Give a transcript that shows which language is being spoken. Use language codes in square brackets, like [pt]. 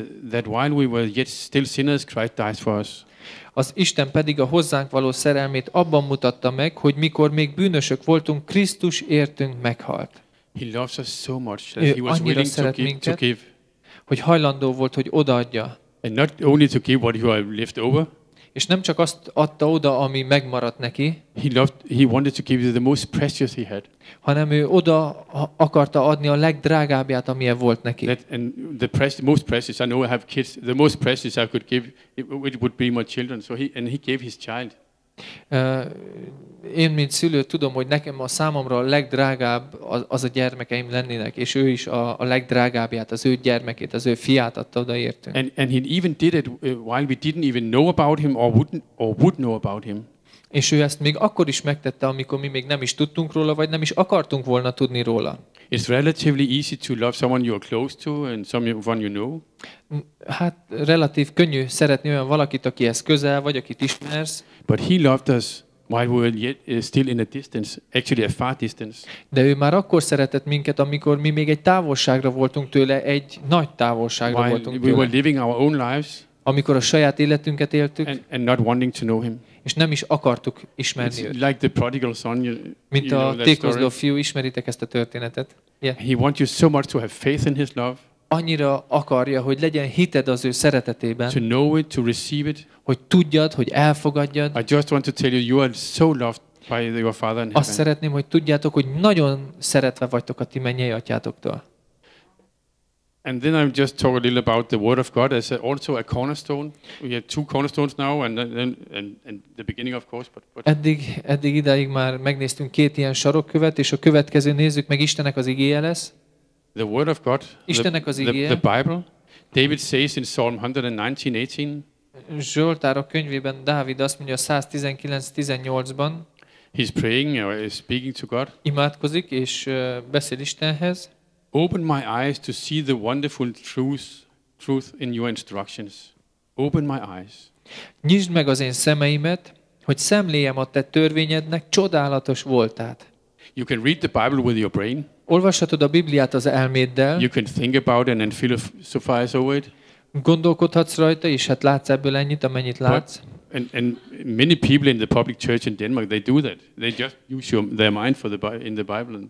[en] That while we were yet still sinners, Christ died for us. [hu] Az Isten pedig a hozzánk való szerelmét abban mutatta meg, hogy mikor még bűnösök voltunk, Krisztus értünk meghalt. [en] He loves us so much that he was willing to give. [hu] Hogy hajlandó volt, hogy odaadja. [en] And not only to give what he had left over. [hu] És nem csak azt adta oda, ami megmaradt neki. [en] He wanted to give you the most precious he had. [hu] Hanem ő oda akarta adni a legdrágábbját, amilyen volt neki. [en] And the most precious, I know I have kids, the most precious I could give, it would be my children. So he gave his child. [hu] Én mint szülő tudom, hogy nekem a számomra a legdrágább az a gyermekeim lennének, és ő is a legdrágábbját, az ő gyermekét, az ő fiát adta oda értünk. [en] And he even did it while we didn't even know about him or would know about him. [hu] És ő ezt még akkor is megtette, amikor mi még nem is tudtunk róla, vagy nem is akartunk volna tudni róla. [en] It's relatively easy to love someone you're close to and someone you know. [hu] Hát relatív könnyű szeretni olyan valakit, akihez közel vagy, akit ismersz. [en] But he loved us while we were yet still in a distance, actually a far distance. [hu] De ő már akkor szeretett minket, amikor mi még egy távolságra voltunk tőle, egy nagy távolságra [en] while [hu] voltunk [en] we [hu] tőle. [en] We were living our own lives. [hu] Amikor a saját életünket éltük. [en] And not wanting to know him. [hu] És nem is akartuk ismerni őt. [en] Like the prodigal son, [hu] mint a tékozló fiú, ismeritek ezt a történetet. [en] Yeah. He wants you so much to have faith in his love. [hu] Annyira akarja, hogy legyen hited az ő szeretetében. [en] To know it, to receive it. [hu] Hogy tudjad, hogy elfogadjad. [en] I just want to tell you are so loved by your father in heaven. [hu] Azt szeretném, hogy tudjátok, hogy nagyon szeretve vagytok a ti mennyei atyátoktól. [en] And then I'm just talk a little about the word of God as also a cornerstone. We have two cornerstones now and the beginning of course, but [hu] eddig ideig már megnéztünk két ilyen sarokkövet, és a következő nézzük meg Istennek az igéje lesz. [en] The word of God. [hu] Istennek az igéje. [en] The Bible. David says in Psalm 119:18. [hu] Zsoltárok könyvében Dávid azt mondja 119:18-ban. [en] He's praying or is speaking to God. [hu] Imádkozik és beszél Istenhez. [en] Open my eyes to see the wonderful truth in your instructions. Open my eyes. [hu] Nyisd meg az én szemeimet, hogy szemléljem a te törvényednek csodálatos voltát. [en] You can read the Bible with your brain. [hu] Olvashatod a Bibliát az elméddel. [en] You can think about it and philosophize over it. [hu] Gondolkodhatsz rajta, és hát látsz ebből ennyit, amennyit látsz. [en] And many people in the public church in Denmark they do that. They just use their mind for the in the Bible.